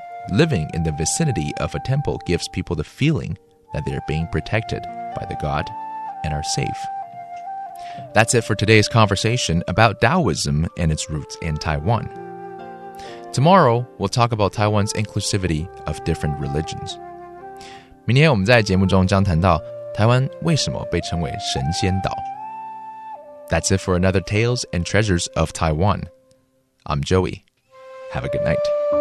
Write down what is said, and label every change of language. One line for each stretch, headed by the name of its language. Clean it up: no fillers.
English: Living in the vicinity of a temple gives people the feeling that they are being protected by the god and are safe. That's it for today's conversation about Taoism and its roots in Taiwan. Tomorrow, we'll talk about Taiwan's inclusivity of different religions.
Chinese: 明天我们在节目中将谈到台湾为什么被称为神仙岛。
English: That's it for another Tales and Treasures of Taiwan. I'm Joey. Have a good night.